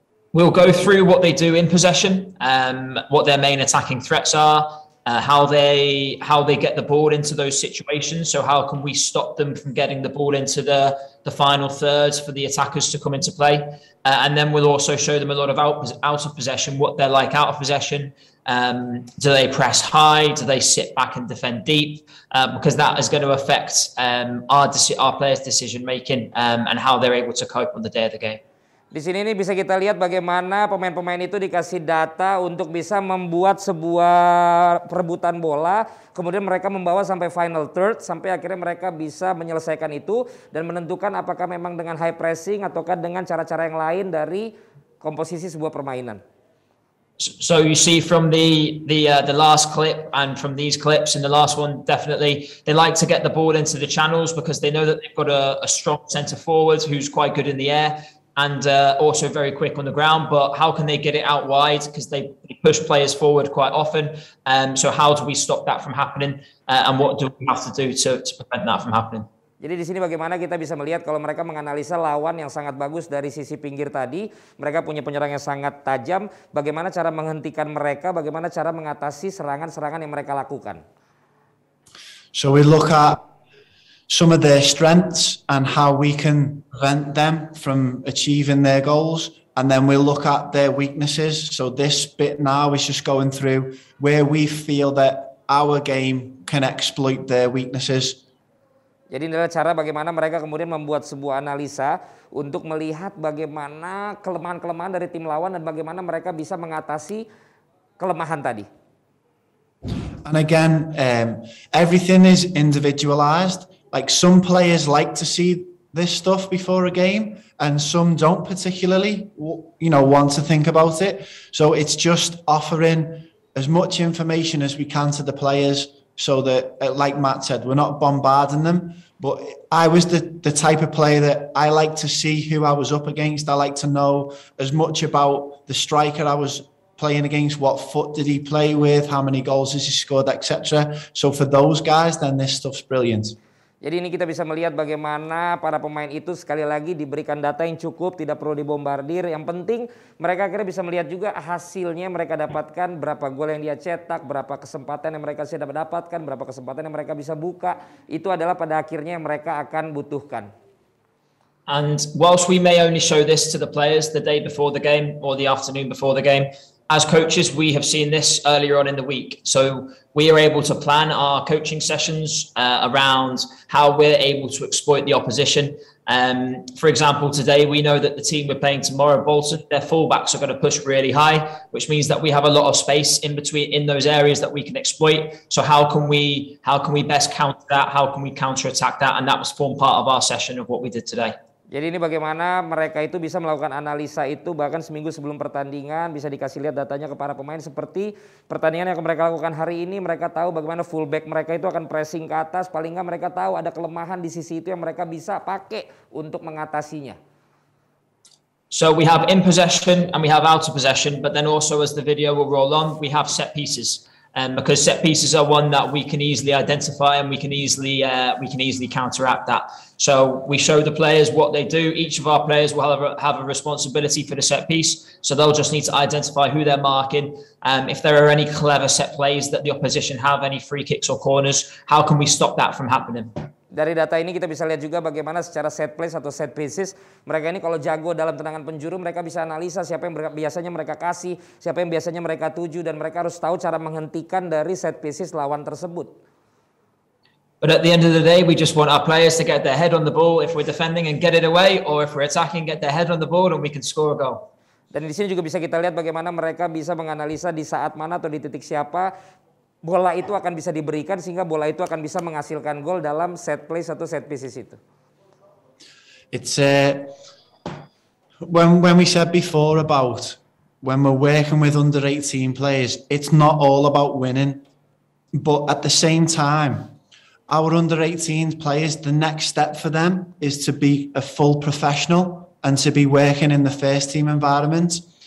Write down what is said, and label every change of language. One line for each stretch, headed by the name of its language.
English: We'll go through what they do in possession, what their main attacking threats are, how they get the ball into those situations, so how can we stop them from getting the ball into the final thirds for the attackers to come into play. And then we'll also show them a lot of out of possession, what they're like out of possession. Do they press high? Do they sit back and defend deep? Because that is going to affect our players' decision making and how they're able to cope on the day of the game.
Indonesian: Di sini ini bisa kita lihat bagaimana pemain-pemain itu dikasih data untuk bisa membuat sebuah perebutan bola. Kemudian mereka membawa sampai final third sampai akhirnya mereka bisa menyelesaikan itu dan menentukan apakah memang dengan high pressing ataukah dengan cara-cara yang lain dari komposisi sebuah permainan.
English: So you see from the last clip and from these clips and the last one definitely they like to get the ball into the channels because they know that they've got a strong center forward who's quite good in the air. And also very quick on the ground, but how can they get it out wide? Because they push players forward quite often. So how do we stop that from happening? And what do we have to do to prevent that from happening?
Indonesian: Jadi di sini bagaimana kita bisa melihat kalau mereka menganalisa lawan yang sangat bagus dari sisi pinggir tadi, mereka punya penyerang yang sangat tajam. Bagaimana cara menghentikan mereka? Bagaimana cara mengatasi serangan-serangan yang mereka lakukan?
English: So we look at some of their strengths and how we can prevent them from achieving their goals. And then we'll look at their weaknesses. So this bit now is just going through where we feel that our game can exploit their weaknesses.
Indonesian: Jadi ini adalah cara bagaimana mereka kemudian membuat sebuah analisa untuk melihat bagaimana kelemahan-kelemahan dari tim lawan dan bagaimana mereka bisa mengatasi kelemahan tadi.
English: And again, everything is individualized. Like some players like to see this stuff before a game and some don't particularly, you know, want to think about it. So it's just offering as much information as we can to the players so that, like Matt said, we're not bombarding them. But I was the type of player that I like to see who I was up against. I like to know as much about the striker I was playing against, what foot did he play with, how many goals has he scored, etc. So for those guys, then this stuff's brilliant.
Indonesian: Jadi ini kita bisa melihat bagaimana para pemain itu sekali lagi diberikan data yang cukup, tidak perlu dibombardir. Yang penting mereka akhirnya bisa melihat juga hasilnya mereka dapatkan, berapa gol yang dia cetak, berapa kesempatan yang mereka sudah mendapatkan, berapa kesempatan yang mereka bisa buka. Itu adalah pada akhirnya yang mereka akan butuhkan.
English: And whilst we may only show this to the players the day before the game or the afternoon before the game, as coaches, we have seen this earlier on in the week. So we are able to plan our coaching sessions around how we're able to exploit the opposition. For example, today we know that the team we're playing tomorrow, Bolton, their fullbacks are going to push really high, which means that we have a lot of space in between in those areas that we can exploit. So how can we best counter that? How can we counterattack that? And that was form part of our session of what we did today.
Indonesian: Jadi ini bagaimana mereka itu bisa melakukan analisa itu bahkan seminggu sebelum pertandingan bisa dikasih lihat datanya ke para pemain seperti pertandingan yang mereka lakukan hari ini, mereka tahu bagaimana fullback mereka itu akan pressing ke atas, paling nggak mereka tahu ada kelemahan di sisi itu yang mereka bisa pakai untuk mengatasinya.
English: So we have in possession and we have out of possession, but then also as the video will roll on, we have set pieces. Because set pieces are one that we can easily identify and we can easily counteract that. So we show the players what they do. Each of our players will have a responsibility for the set piece. So they'll just need to identify who they're marking. If there are any clever set plays that the opposition have, any free kicks or corners, how can we stop that from happening?
Indonesian: Dari data ini kita bisa lihat juga bagaimana secara set plays atau set pieces mereka ini kalau jago dalam tendangan penjuru mereka bisa analisa siapa yang biasanya mereka kasih, siapa yang biasanya mereka tuju dan mereka harus tahu cara menghentikan dari set pieces lawan tersebut.
English: But at the end of the day we just want our players to get their head on the ball if we're defending and get it away, or if we're attacking get their head on the ball and we can score a goal.
Indonesian: Dan di sini juga bisa kita lihat bagaimana mereka bisa menganalisa di saat mana atau di titik siapa bola itu akan bisa diberikan sehingga bola itu akan bisa menghasilkan gol dalam set play atau set pieces itu.
English: It's when we said before about when we're working with under 18 players, it's not all about winning. But at the same time, our under 18 players, the next step for them is to be a full professional and to be working in the first team environment.